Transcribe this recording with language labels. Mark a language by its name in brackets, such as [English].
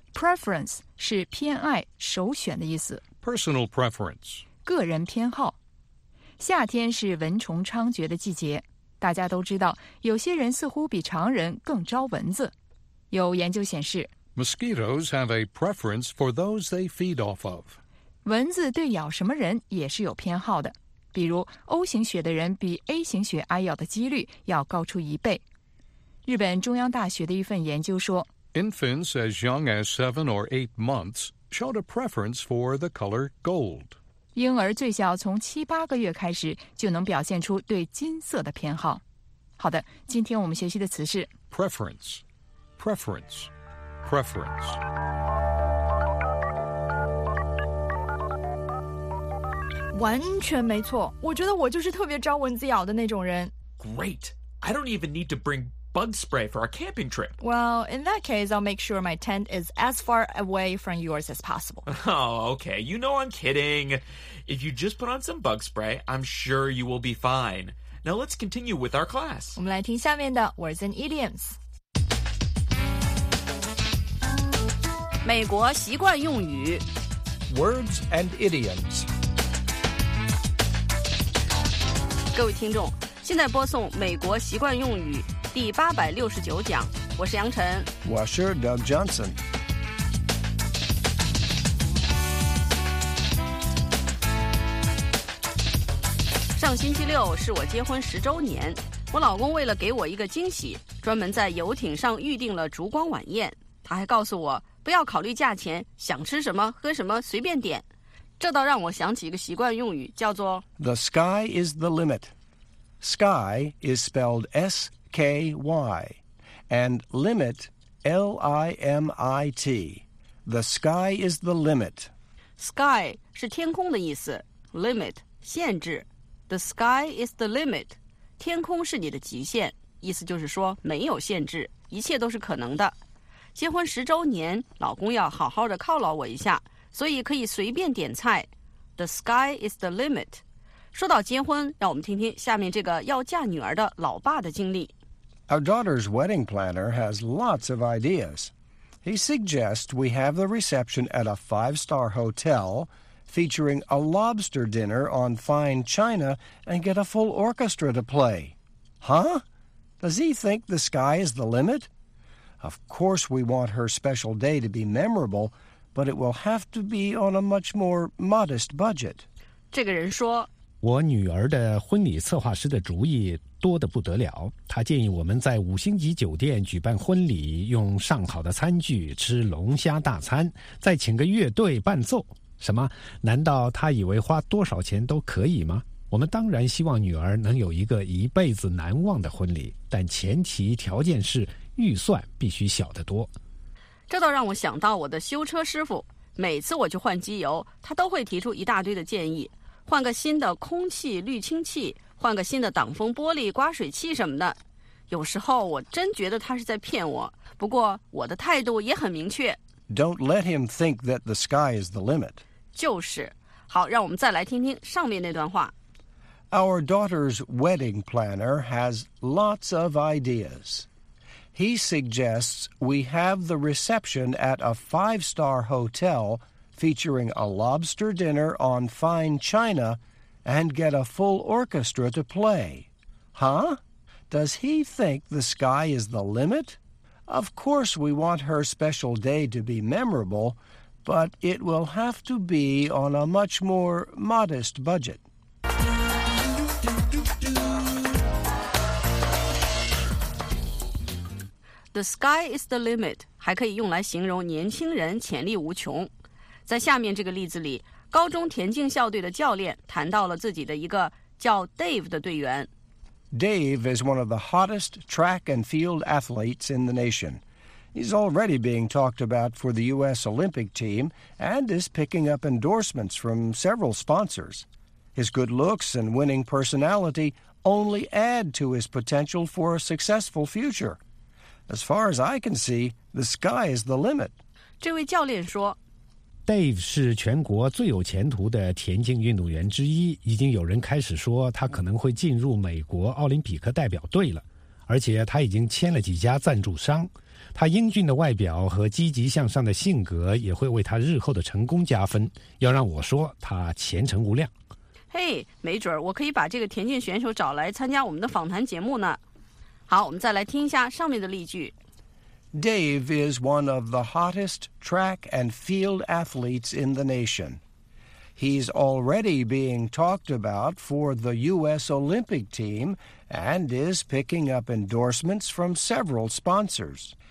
[Chinese] Preference 是偏爱、首选的意思。 [English] Personal preference. [Chinese] 个人偏好。夏天是蚊虫猖獗的季节。大家都知道，有些人似乎比常人更招蚊子。有研究显示 [English] ，Mosquitoes have a preference for those they feed off of. [Chinese] 蚊子对咬什么人也是有偏好的。比如 O 型血的人比 A 型血挨咬的几率要高出一倍。日本中央大学的一份研究说 [English] ，Infants as young as 7 or 8 months showed a preference for the color gold. [Chinese] 婴儿最小从7、8个月开始就能表现出对金色的偏好。好的，今天我们学习的词是 [English] preference, preference, preference. [Chinese] 完全没错，我觉得我就是特别招蚊子咬的那种人。 [English] Great! I don't even need to bring bug spray for our camping trip. Well, in that case, I'll make sure my tent is as far away from yours as possible. Oh, okay. You know I'm kidding. If you just put on some bug spray, I'm sure you will be fine. Now let's continue with our class. [Chinese] 我们来听下面的 Words and Idioms. 美国习惯用语 [English] Words and Idioms. [Chinese] 各位听众，现在播送美国习惯用语第869讲，我是杨晨。我是 Doug Johnson。上星期六是我结婚10周年，我老公为了给我一个惊喜，专门在游艇上预定了烛光晚宴。他还告诉我，不要考虑价钱，想吃什么喝什么随便点。这倒让我想起一个习惯用语，叫做 [English] The sky is the limit. Sky is spelled S-K-Y, and limit, L-I-M-I-T. The sky is the limit. [Chinese] Sky 是天空的意思 ,limit, 限制。 [English] The sky is the limit. [Chinese] 天空是你的极限，意思就是说没有限制，一切都是可能的。结婚10周年，老公要好好的犒劳我一下，所以可以随便点菜。 [English] The sky is the limit. [Chinese] 说到结婚，让我们听听下面这个要嫁女儿的老爸的经历。 [English] Our daughter's wedding planner has lots of ideas. He suggests we have the reception at a 5-star hotel, featuring a lobster dinner on fine china, and get a full orchestra to play. Huh? Does he think the sky is the limit? Of course we want her special day to be memorable, but it will have to be on a much more modest budget. [Chinese] 这个人说我女儿的婚礼策划师的主意多得不得了，她建议我们在5星级酒店举办婚礼，用上好的餐具，吃龙虾大餐，再请个乐队伴奏。什么？难道她以为花多少钱都可以吗？我们当然希望女儿能有一个一辈子难忘的婚礼，但前提条件是预算必须小得多。这倒让我想到我的修车师傅，每次我去换机油，他都会提出一大堆的建议，换个新的空气滤清器，换个新的挡风玻璃刮水器什么的。有时候我真觉得他是在骗我，不过我的态度也很明确。 [English] Don't let him think that the sky is the limit. [Chinese] 就是。好，让我们再来听听上面那段话。 [English] Our daughter's wedding planner has lots of ideas. He suggests we have the reception at a 5-star hotel... featuring a lobster dinner on fine china, and get a full orchestra to play. Huh? Does he think the sky is the limit? Of course we want her special day to be memorable, but it will have to be on a much more modest budget. 'The sky is the limit' [Chinese] 还可以用来形容年轻人潜力无穷。在下面这个例子里，高中田径校队的教练谈到了自己的一个叫 Dave 的队员。 [English] Dave is one of the hottest track and field athletes in the nation. He's already being talked about for the U.S. Olympic team and is picking up endorsements from several sponsors. His good looks and winning personality only add to his potential for a successful future. As far as I can see, the sky is the limit. [Chinese] 这位教练说， Dave 是全国最有前途的田径运动员之一，已经有人开始说他可能会进入美国奥林匹克代表队了，而且他已经签了几家赞助商。他英俊的外表和积极向上的性格也会为他日后的成功加分，要让我说他前程无量。嘿，没准我可以把这个田径选手找来参加我们的访谈节目呢。好，我们再来听一下上面的例句。 [English] Dave is one of the hottest track and field athletes in the nation. He's already being talked about for the U.S. Olympic team and is picking up endorsements from several sponsors.